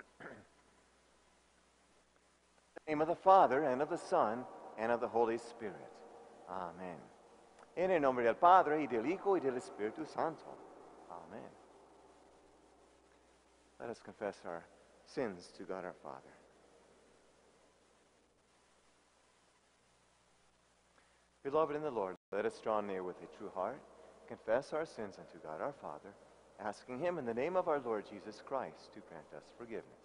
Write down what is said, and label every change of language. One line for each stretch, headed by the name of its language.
English: In the name of the Father, and of the Son, and of the Holy Spirit. Amen.
Spanish: En el nombre del Padre, y del Hijo, y del Espíritu Santo.
English: Amen. Let us confess our sins to God our Father. Beloved in the Lord, let us draw near with a true heart, confess our sins unto God our Father, asking him in the name of our Lord Jesus Christ to grant us forgiveness.